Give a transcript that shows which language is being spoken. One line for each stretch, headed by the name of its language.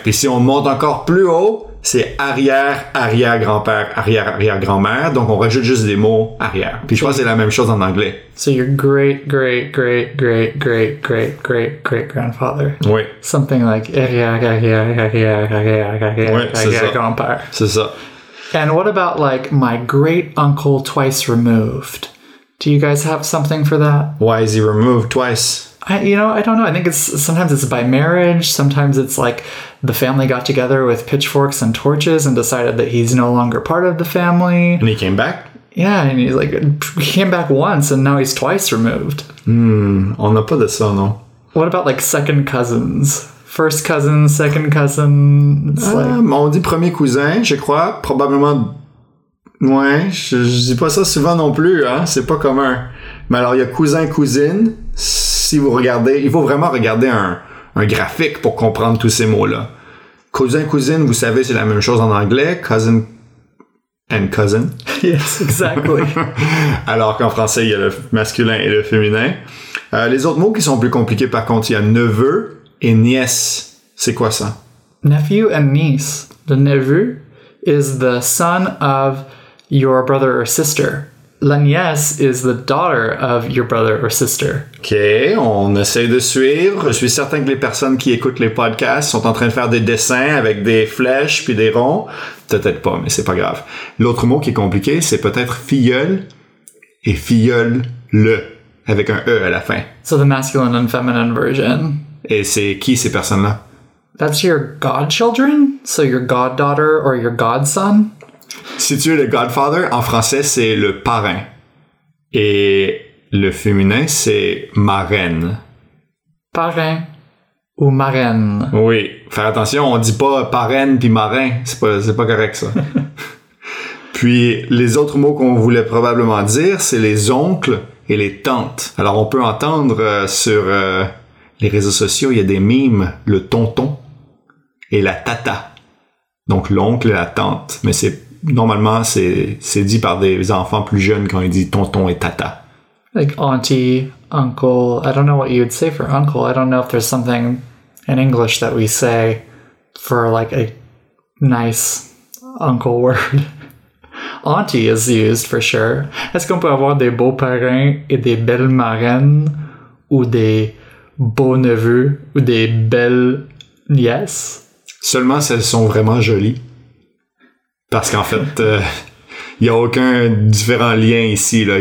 French: Et si on monte encore plus haut, c'est arrière-arrière-grand-père, arrière-arrière-grand-mère. Donc, on rajoute juste des mots arrière. Puis, je crois que c'est la même chose en anglais.
English: So, your great-great-great-great-great-great-great-great-grandfather.
French: Oui.
English: Something like arrière-arrière-arrière-arrière-arrière-arrière-grand-père.
French: Oui, c'est ça.
English: And what about, like, my great-uncle twice removed? Do you guys have something for that? Why is he removed twice? I don't know. I think it's sometimes it's by marriage. Sometimes it's like the family got together with pitchforks and torches and decided that he's no longer part of the family. And he came back? Yeah, and he's like, he came back once and now he's twice removed.
French: On n'a pas de ça, non.
English: What about like second cousins? First cousin, second cousin?
French: On dit premier cousin, je crois, probablement. Ouais, je dis pas ça souvent non plus, hein. C'est pas commun. Mais alors, il y a cousin-cousine. Si vous regardez, il faut vraiment regarder un graphique pour comprendre tous ces mots-là. Cousin-cousine, vous savez, c'est la même chose en anglais.
English: Cousin and cousin. Yes, exactly.
French: Alors qu'en français, il y a le masculin et le féminin. Les autres mots qui sont plus compliqués, par contre, il y a neveu et nièce. C'est quoi ça?
English: Nephew and niece. The neveu is the son of your brother or sister. La nièce is the daughter of your brother or sister.
French: OK, on essaie de suivre. Je suis certain que les personnes qui écoutent les podcasts sont en train de faire des dessins avec des flèches puis des ronds. Peut-être pas, mais c'est pas grave. L'autre mot qui est compliqué, c'est peut-être filleul et filleul-le, avec un E à la fin.
English: So the masculine and feminine version.
French: Et c'est qui ces personnes-là?
English: That's your godchildren, so your goddaughter or your godson.
French: Si tu es le godfather, en français, c'est le parrain. Et le féminin, c'est marraine. Parrain ou marraine. Oui. Faire attention, on dit pas parraine puis marrain. C'est pas correct, ça. Puis, les autres mots qu'on voulait probablement dire, c'est les oncles et les tantes. Alors, on peut entendre sur les réseaux sociaux, il y a des mèmes, le tonton et la tata. Donc, l'oncle et la tante. Mais c'est normalement, c'est dit par des enfants plus jeunes quand ils disent tonton et tata.
English: Like auntie, uncle. I don't know what you would say for uncle. I don't know if there's something in English that we say for like a nice uncle word. Auntie is used for sure.
French: Est-ce qu'on peut avoir des beaux parrains et des belles marraines ou des beaux neveux ou des belles nièces? Seulement si elles sont vraiment jolies. Parce qu'en fait, il n'y a aucun différent lien ici. Là.